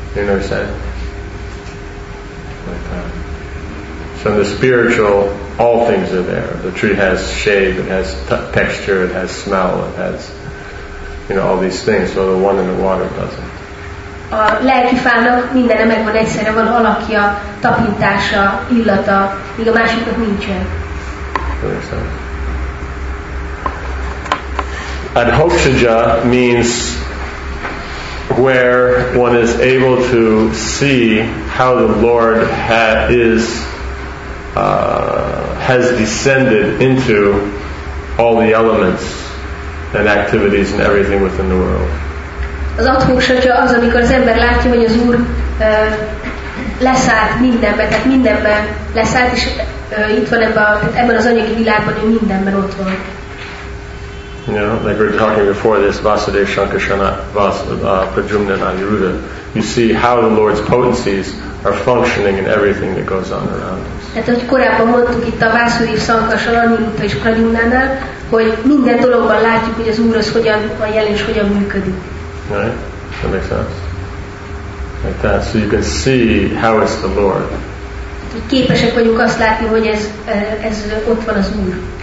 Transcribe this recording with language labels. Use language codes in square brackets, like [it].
[en] You know what I'm saying? So in the spiritual, all things are there. The tree has shape, it has texture, it has smell, it has, you know, all these things. So the one in the water doesn't. [hu] A lelki fának minden megvan egyszerre, van alakja, tapintása, illata, míg a másiknak nincsen. [en] Adhokshaja means where one is able to see how the Lord has descended into all the elements and activities and everything within the world. [hu] Az adhokshaja az, amikor az ember látja, hogy az Úr leszállt mindenbe, tehát mindenbe leszállt, és itt van ebben az anyagi világban, hogy mindenben ott van. [en] You know, like we were talking before this, Vasudev Shankarshana, Prajumna Aniruddha, you see how the Lord's potencies are functioning in everything that goes on around us. [hu] Tehát, hogy korábban mondtuk itt a Vasudev Shankarshana, Aniruddha és Prajumnánál, hogy minden dologban látjuk, hogy az Úr az hogyan van jelen és hogyan működik. [en] Right? That makes sense? Like that. So you can see how it's the Lord. [hu] Képesek vagyunk azt látni, hogy ez ott van az Úr.